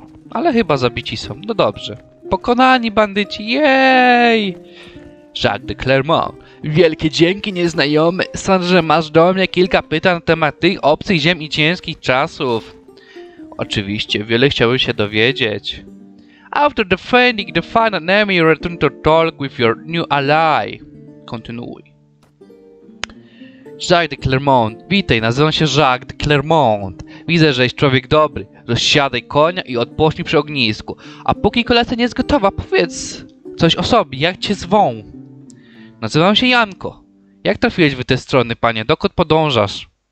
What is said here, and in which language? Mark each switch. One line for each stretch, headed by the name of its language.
Polish: Ale chyba zabici są. No dobrze. Pokonani bandyci, jej! Jacques de Clermont. Wielkie dzięki, nieznajomy. Sądzę, że masz do mnie kilka pytań na temat tych obcych ziem i ciężkich czasów. Oczywiście, wiele chciałbym się dowiedzieć.
English: After defending the final enemy, return to talk with your new ally.
Polish: Kontynuuj. Jacques de Clermont. Witaj, nazywam się Jacques de Clermont. Widzę, że jesteś człowiek dobry. Rozsiadaj konia i odpocznij przy ognisku. A póki kolacja nie jest gotowa, powiedz coś o sobie, jak cię zwą? Nazywam się Janko. Jak trafiłeś w te strony, panie? Dokąd podążasz?